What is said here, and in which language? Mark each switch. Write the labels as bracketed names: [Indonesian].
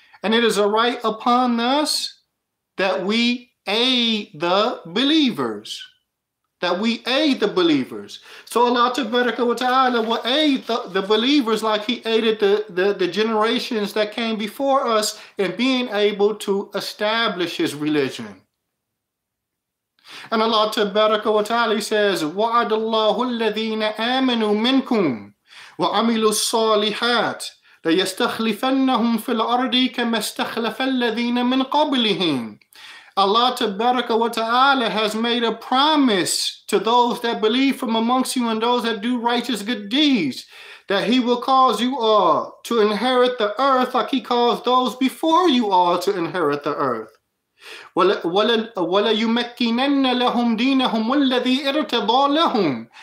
[English] And it is a right upon us that we aid the believers. That we aid the believers. So Allah Tabaraka wa Ta'ala will aid the believers like he aided the generations that came before us in being able to establish his religion. And Allah Tabaraka wa Ta'ala says, [Arabic] وَعَدَ اللَّهُ الَّذِينَ آمَنُوا مِنْكُمْ وَعَمِلُوا الصَّالِحَاتِ لَيَسْتَخْلِفَنَّهُمْ فِي الْأَرْضِ كَمَا اسْتَخْلَفَ الَّذِينَ مِنْ قَبْلِهِمْ. [English] Allah Tabaraka wa Ta'ala has made a promise to those that believe from amongst you and those that do righteous good deeds, that he will cause you all to inherit the earth like he caused those before you all to inherit the earth. [Arabic] وَلَيُمَكِّنَنَّ لَهُمْ دِينَهُمْ وَالَّذِي إِرْتَضَى لَهُمْ.